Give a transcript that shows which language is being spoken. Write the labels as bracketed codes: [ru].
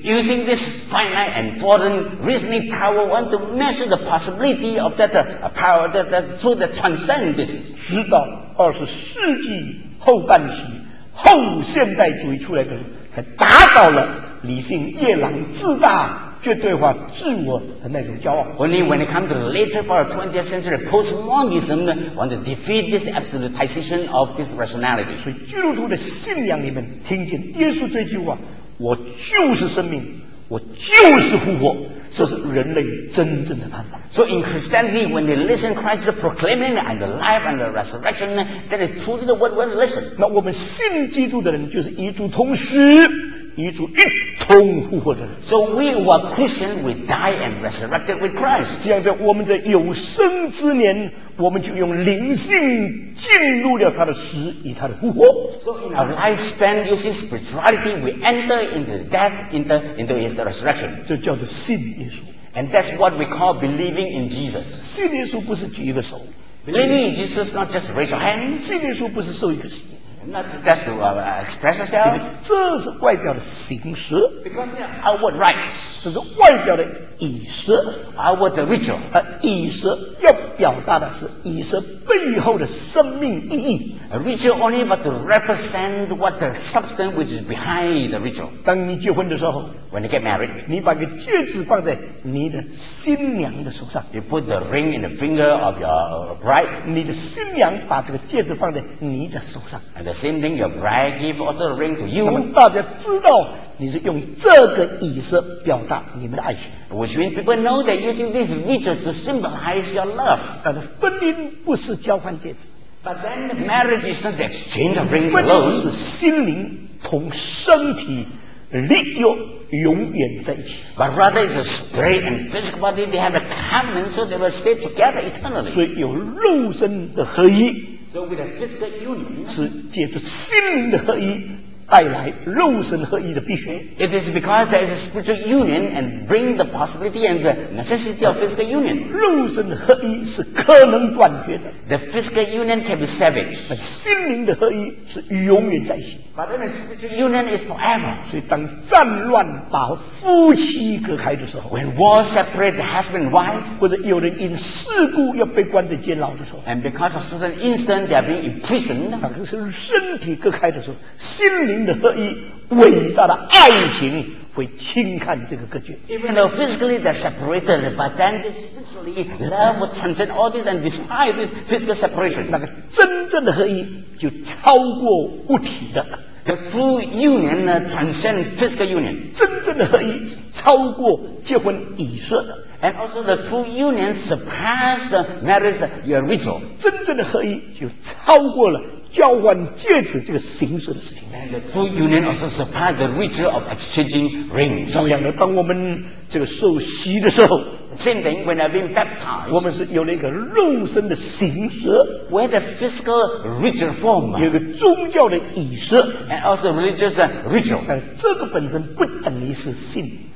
[en] Using this finite and fallen reasoning power, want to measure the possibility of that power that through the transcendence. [zh] 直到二十世纪后半期，后现代主义出来的人，才达到了理性夜郎自大。绝对化自我的那种骄傲。 [en] Only when it comes to the later part of 20th century postmodernism, want to defeat this absolutization of this rationality. [zh] 所以基督徒的信仰里面听见耶稣这句话，我就是生命，我就是复活，这是人类真正的盼望。 [en] So in Christianity, when they listen Christ proclaiming and the life and the resurrection, that is truly the word we listen. [zh] 那我们信基督的人就是与主同死。与主一同复活的人。 [en] So we were Christian, we die and resurrected with Christ. [zh] 这样在我们在有生之年，我们就用灵性进入了他的死，与他的复活。 [en] So in our lifespan, using spirituality, we enter into death, into his resurrection. [zh] 这叫做信耶稣。 [en] And that's what we call believing in Jesus. [zh] 信耶稣不是举一个手。 [en] Believing in Jesus not just raise your hand. [zh] 信耶稣不是受一个洗。 [en] That's to express yourself. [zh] 这是外表的形式。 [en] Because outward rites. [zh] 这是外表的仪式。 [en] Outward ritual. [zh] 仪式要表达的是仪式背后的生命意义。 [en] A ritual only but to represent what the substance which is behind the ritual. [zh] 当你结婚的时候 [en] ，When you get married, [zh] 你把个戒指放在你的新娘的手上。 [en] You put the ring in the finger of your bride. [zh] 你的新娘把这个戒指放在你的手上。 [en] And the same thing, your bride give also a ring to you. [zh] 那么大家知道你是用这个仪式表达你们的爱情。 [en] Which means people know that using this ritual to symbolize your love. [zh] 但是婚姻不是交换戒指。 [en] But then the marriage is not the exchange of rings alone. [zh] 婚姻是心灵同身体立约永远在一起。 [en] But rather it's a spirit and physical body, they have a covenant so they will stay together eternally. [zh] 所以有肉身的合一。 [en] So with a physical union, [zh] 是借助心灵的合一带来肉身合一的必须。 [en] It is because there is a spiritual union and bring the possibility and the necessity of physical union. [zh] 肉身合一是可能断绝的。 [en] The physical union can be severed. [zh] 心灵的合一是永远在一起。 [en] But then a spiritual union is forever. [zh] 所以当战乱把夫妻隔开的时候 [en] ，When war separates husband and wife, [zh] 或者有人因事故要被关在监牢的时候 [en] ，And because of certain incident they are being imprisoned. [zh] 反正是身体隔开的时候，心心灵的合一，伟大的爱情会轻看这个格局。 [en] Even though physically they're separated, but then spiritually love will transcend all this and despite this physical separation. [zh] 那个真正的合一就超过物体的。 [en] The true union transcends physical union. [zh] 真正的合一超过结婚仪式的。 [en] And also the true union surpasses the marriage your ritual. [zh] 真正的合一就超过了。交换戒指这个形式的事情 [en] And the full union also surpassed the ritual of exchanging rings [zh] 同样的当我们这个受洗的时候 [en] Same thing when I've been baptized [zh] 我们是有了一个肉身的形式 [en] Where the physical ritual form [zh] 有个宗教的仪式 [en] And also religious ritual [zh] 但这个本身不等于是信